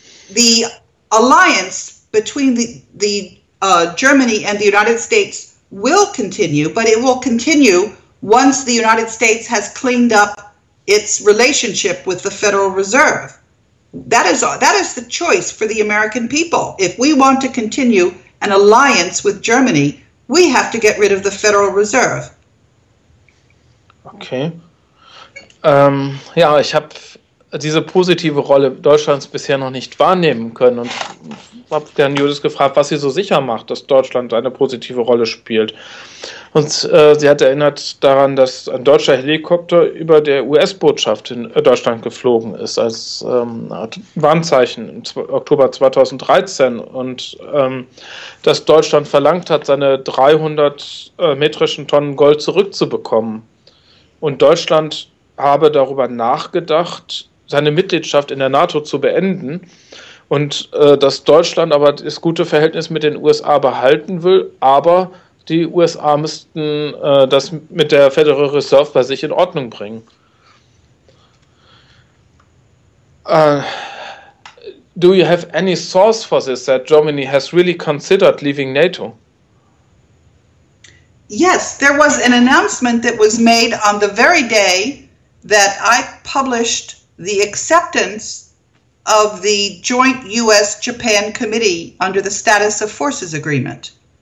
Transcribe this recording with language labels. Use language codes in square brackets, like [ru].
[en] The alliance between the Germany and the United States will continue, but it will continue once the United States has cleaned up its relationship with the Federal Reserve. That is the choice for the American people. If we want to continue an alliance with Germany, we have to get rid of the Federal Reserve. Okay. [de] Ja, ich habe diese positive Rolle Deutschlands bisher noch nicht wahrnehmen können und ich habe Herrn Judis gefragt, was sie so sicher macht, dass Deutschland eine positive Rolle spielt. Und sie hat erinnert daran, dass ein deutscher Helikopter über der US-Botschaft in Deutschland geflogen ist, als Warnzeichen im Oktober 2013. Und dass Deutschland verlangt hat, seine 300 metrischen Tonnen Gold zurückzubekommen. Und Deutschland habe darüber nachgedacht, seine Mitgliedschaft in der NATO zu beenden. Und dass Deutschland aber das gute Verhältnis mit den USA behalten will, aber die USA müssten das mit der Federal Reserve bei sich in Ordnung bringen. [en] Do you have any source for this, that Germany has really considered leaving NATO? Yes, there was an announcement that was made on the very day that I published the acceptance of the joint U.S.-Japan committee under the Status of Forces Agreement.